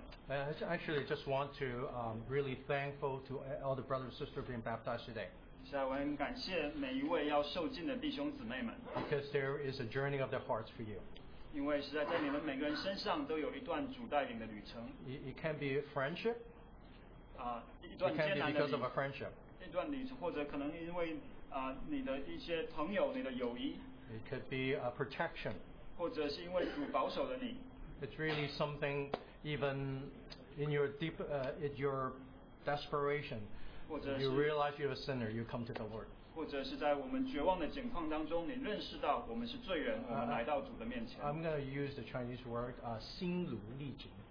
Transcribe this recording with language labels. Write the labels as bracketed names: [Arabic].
[English] I actually just want to really thankful to all the brothers and sisters being baptized today. [Chinese] 感谢每一位要受浸的弟兄姊妹们。 [English] Because there is a journey of their hearts for you. [Chinese] 因为实在在你们每个人身上都有一段主带领的旅程。 [English] It can be a friendship. [Chinese] 一段艰难的旅程。 [English] It can be because of a friendship. [Chinese] 一段旅程，或者可能因为你的一些朋友、你的友谊 [English] ，it could be a protection， [Chinese] 或者是因为主保守了你 [English] ，it's really something even in your deep in your desperation， [Chinese] 或者 [English] you realize you're a sinner， you come to the Lord， [Chinese] 或者是在我们绝望的境况当中，你认识到我们是罪人，我们来到主的面前。 [English] I'm going to use the Chinese word [Chinese] 心如历经。